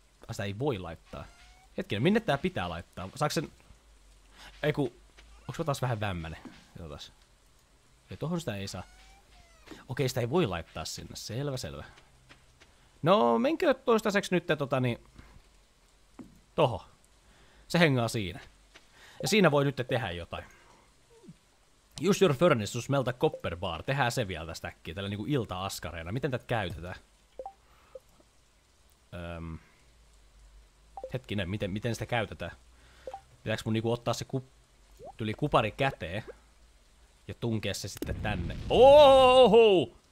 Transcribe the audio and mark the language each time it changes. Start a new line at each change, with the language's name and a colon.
Finnish: Sitä ei voi laittaa. Hetkinen, minne tää pitää laittaa? Saaks sen... Eiku... Onks mä taas vähän vämmäne? Katsotaas. Ei, tohon sitä ei saa. Okei, sitä ei voi laittaa sinne. Selvä. No, menkö toistaiseksi nyt tota niin... Toho. Se hengaa siinä. Ja siinä voi nyt tehdä jotain.
English: Use your furnace to smelt a copper bar.
Finnish: Tehdään se vielä tästä äkkiä, tällä niinku ilta-askareena. Miten tätä käytetään? Hetkinen, miten sitä käytetään? Pitääks mun niinku ottaa se tuli kupari käteen? Ja tunkea se sitten tänne. Oho!